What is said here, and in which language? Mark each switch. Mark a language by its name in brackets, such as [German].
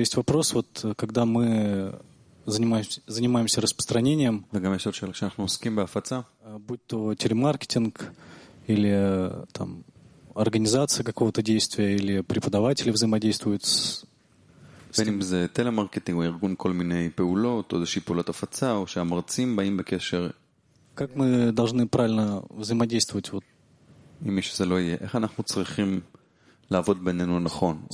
[Russian] есть вопрос, вот когда мы занимаемся распространением, будь то телемаркетинг или там организация какого-то действия или преподаватели взаимодействуют с... [Hebrew] בין אם זה טלמרקטינג או ארגון כל מיני פעולות, או איזושהי פעולת הפצה, או שהמרצים באים בקשר. [Russian] Как мы должны правильно взаимодействовать вот? [Hebrew] עם מי שזה לא יהיה. איך אנחנו צריכים לעבוד בינינו נכון?